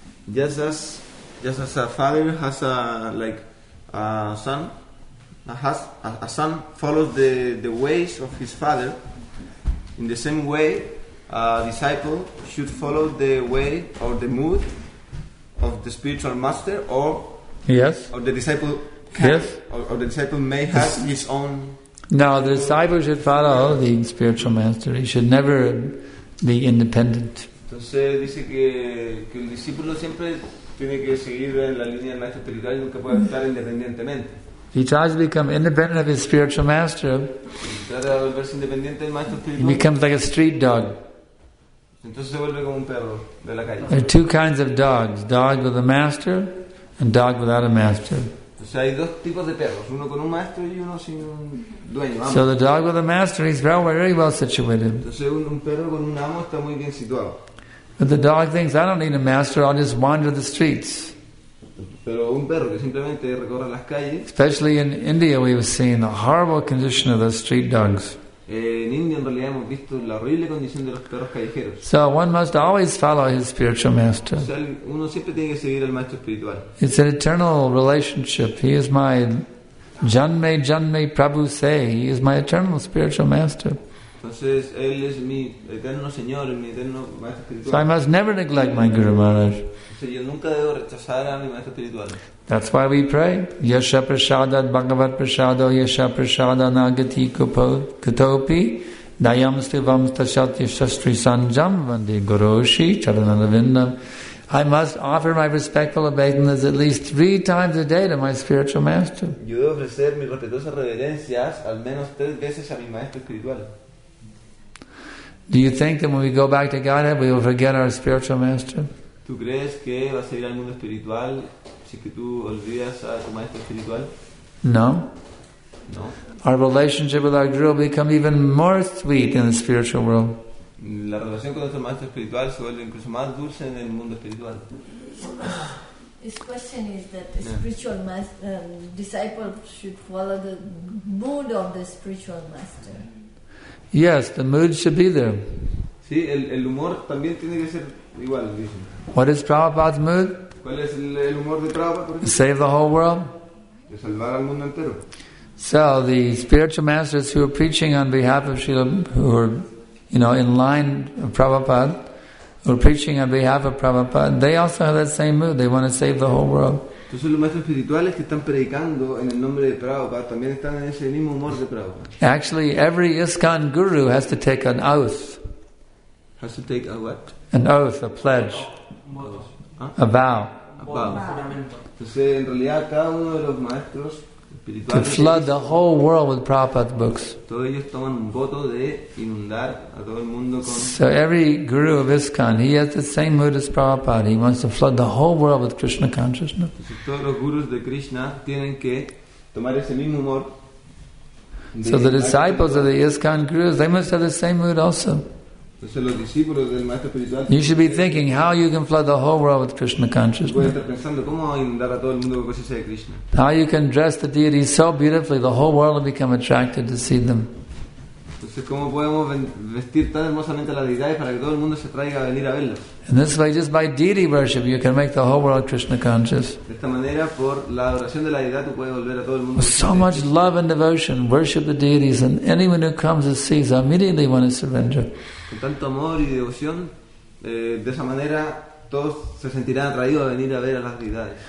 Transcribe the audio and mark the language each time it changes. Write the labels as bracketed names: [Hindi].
[English] Just as a father has a son follows the ways of his father, in the same way a disciple should follow the way or the mood of the spiritual master, or yes, or the disciple can, yes, or the disciple may have his own. No, the disciple should follow the spiritual master. He should never be independent. [Spanish] Entonces dice que el discípulo siempre tiene que seguir en la línea del maestro espiritual y nunca puede estar independientemente. [English] He tries to become independent of his spiritual master. [Spanish] Trata de volverse independiente del maestro espiritual. [English] He becomes like a street dog. [Spanish] Entonces se vuelve como un perro de la calle. [English] There are two kinds of dogs: dog with a master and dog without a master. [Spanish] Entonces hay dos tipos de perros: uno con un maestro y uno sin un dueño. Vamos. [English] So the dog with a master, he's very, very well situated. [Spanish] Entonces un perro con un amo está muy bien situado. [English] But the dog thinks, I don't need a master, I'll just wander the streets. [Spanish] Pero un perro que simplemente recorre las calles. [English] Especially in India, we've seen the horrible condition of the street dogs. [Spanish] En India, en realidad, hemos visto la horrible condición de los perros callejeros. [English] So one must always follow his spiritual master. [Spanish] O sea, uno siempre tiene que seguir al maestro espiritual. [English] It's an eternal relationship. He is my [Bangla] Janme Janme Prabhu Se. [English] He is my eternal spiritual master. [Spanish] Entonces, él es mi eterno señor, mi eterno maestro espiritual. [English] So I must never neglect my Guru Maharaj. [Spanish] Entonces, yo nunca debo rechazar a mi maestro espiritual. [English] That's why we pray. [Sanskrit] Yasha prasadat bhagavat prasado yasha prasada nagati kupo katopi dayam stivam stashati shastri sanjam vande guroshi charanavindam. [English] I must offer my respectful obeisances at least 3 times a day to my spiritual master. [Spanish] Yo debo ofrecer mis respetuosas reverencias al menos 3 veces a mi maestro espiritual. [English] Do you think that when we go back to Godhead we will forget our spiritual master? [Spanish] ¿Tú crees que vas a ir al mundo espiritual si que tú olvidas a tu maestro espiritual? [English] No. [Spanish] No. [English] Our relationship with our guru will become even more sweet in the spiritual world. [Spanish] La relación con nuestro maestro espiritual se vuelve incluso más dulce en el mundo espiritual. [English] His question is that the spiritual disciple should follow the mood of the spiritual master. Yes, the mood should be there. [Spanish] Sí, el humor también tiene que ser igual, dicen. [English] What is Prabhupada's mood? [Spanish] ¿Cuál es el humor de Prabhupada? [English] Save the whole world. [Spanish] De salvar al mundo entero. [English] So the spiritual masters who are preaching on behalf of Srila, who are, you know, in line of Prabhupada, who are preaching on behalf of Prabhupada, they also have that same mood. They want to save the whole world. [Spanish] Entonces los maestros espirituales que están predicando en el nombre de Prabhupada también están en ese mismo humor de Prabhupada. [English] Actually, every ISKCON guru has to take an oath. Has to take a what? An oath, a pledge. A vow. [Spanish] Entonces, en realidad, cada uno de los maestros espirituales [English] to flood the whole world with Prabhupada's books. [Spanish] Todos ellos toman un voto de inundar a todo el mundo con. [English] So every guru of ISKCON, he has the same mood as Prabhupada. He wants to flood the whole world with Krishna consciousness. [Spanish] Entonces, todos los gurus de Krishna tienen que tomar ese mismo humor. [English] So the disciples of the ISKCON gurus, they must have the same mood also. [Spanish] Entonces, los discípulos del maestro espiritual, [English] you should be thinking how you can flood the whole world with Krishna consciousness. [Spanish] Estar pensando, ¿cómo inundar a todo el mundo con conciencia de Krishna? [English] How you can dress the deities so beautifully, the whole world will become attracted to see them. [Spanish] Entonces, Entonces, ¿cómo podemos vestir tan hermosamente las deidades para que todo el mundo se traiga a venir a verlos? [English] In this way, just by deity worship, you can make the whole world Krishna conscious. [Spanish] De esta manera, por la adoración de la deidad, tú puedes volver a todo el mundo. [English] With so much love and devotion, worship the deities, and anyone who comes and sees immediately wants to surrender. [Spanish] Con tanto amor y devoción, de esa manera todos se sentirán atraídos a venir a ver a las deidades.